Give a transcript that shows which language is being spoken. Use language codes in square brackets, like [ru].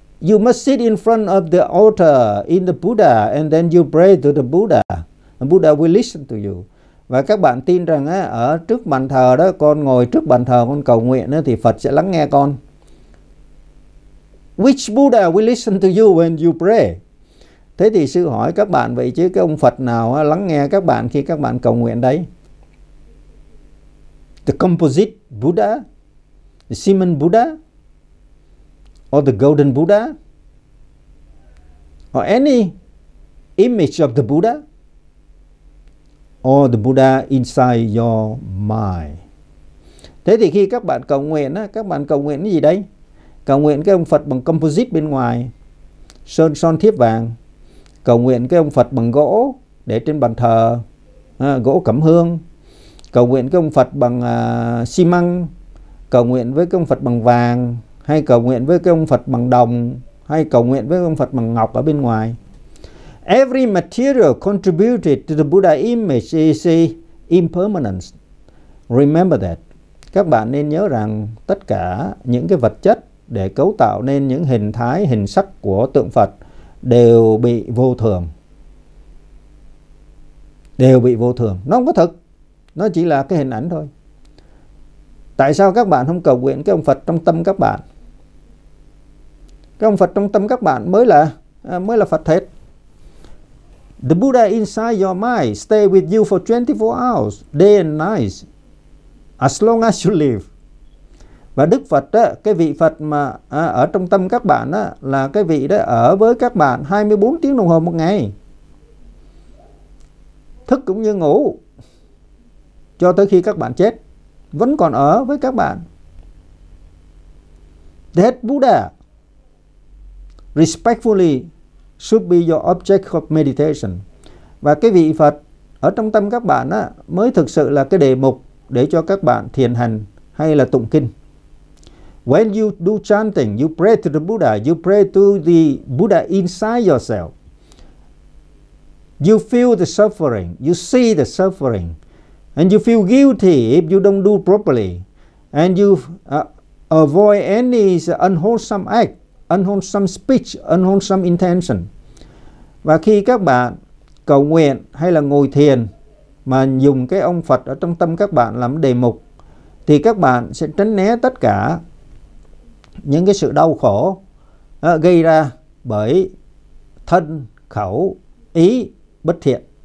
[en] You must sit in front of the altar in the Buddha and then you pray to the Buddha. The Buddha will listen to you. [vi] Và các bạn tin rằng ở trước bàn thờ đó, con ngồi trước bàn thờ con cầu nguyện thì Phật sẽ lắng nghe con. [en] Which Buddha will listen to you when you pray? [vi] Thế thì sư hỏi các bạn vậy chứ cái ông Phật nào lắng nghe các bạn khi các bạn cầu nguyện đấy? [en] The composite Buddha, the Simon Buddha, or the golden Buddha, or any image of the Buddha, or the Buddha inside your mind? [vi] Thế thì khi các bạn cầu nguyện á, các bạn cầu nguyện cái gì đấy? Cầu nguyện cái ông Phật bằng composite bên ngoài, sơn son thiếp vàng. Cầu nguyện cái ông Phật bằng gỗ để trên bàn thờ, gỗ cẩm hương. Cầu nguyện cái ông Phật bằng xi măng. Cầu nguyện với cái ông Phật bằng vàng, hay cầu nguyện với cái ông Phật bằng đồng, hay cầu nguyện với ông Phật bằng ngọc ở bên ngoài. [en] Every material contributed to the Buddha image is impermanence. Remember that. [vi] Các bạn nên nhớ rằng tất cả những cái vật chất để cấu tạo nên những hình thái, hình sắc của tượng Phật đều bị vô thường. Đều bị vô thường. Nó không có thực. Nó chỉ là cái hình ảnh thôi. Tại sao các bạn không cầu nguyện cái ông Phật trong tâm các bạn? Cái ông Phật trong tâm các bạn mới là Phật thật. [en] The Buddha inside your mind stay with you for 24 hours, day and night, as long as you live. [vi] Và Đức Phật đó, cái vị Phật mà ở trong tâm các bạn đó, là cái vị đó ở với các bạn 24 tiếng đồng hồ một ngày. Thức cũng như ngủ, cho tới khi các bạn chết, vẫn còn ở với các bạn. [en] That Buddha, respectfully, should be your object of meditation. [vi] Và cái vị Phật ở trong tâm các bạn đó, mới thực sự là cái đề mục để cho các bạn thiền hành hay là tụng kinh. [en] When you do chanting, you pray to the Buddha, you pray to the Buddha inside yourself. You feel the suffering, you see the suffering, and you feel guilty if you don't do properly, and you avoid any unwholesome act, unwholesome speech, unwholesome intention. [vi] Và khi các bạn cầu nguyện hay là ngồi thiền mà dùng cái ông Phật ở trong tâm các bạn làm đề mục, thì các bạn sẽ tránh né tất cả những cái sự đau khổ gây ra bởi thân, khẩu, ý bất thiện.